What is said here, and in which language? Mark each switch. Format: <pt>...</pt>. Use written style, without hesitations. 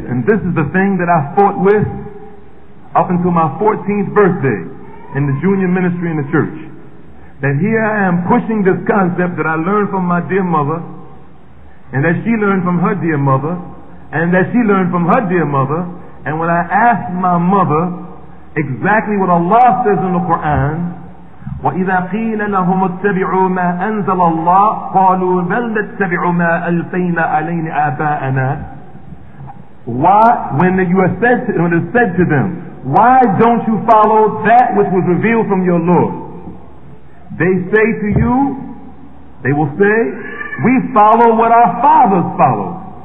<en>And this is the thing that I fought with up until my 14th birthday in the junior ministry in the church. That here I am pushing this concept that I learned from my dear mother, and that she learned from her dear mother, and that she learned from her dear mother. And when I asked my mother exactly what Allah says in the Quran,</en> <ar>وَإِذَا قِيلَ لَهُمُ اتَّبِعُوا مَا أَنزَلَ اللَّهُ قَالُوا بَلْ نَتَّبِعُوا مَا أَلْفَيْنَا عَلَيْنِ آبَاءَنَا.</ar> <en>Why, when you are said to, when it is said to them, why don't you follow that which was revealed from your Lord? They say to you, they will say, we follow what our fathers followed.</en>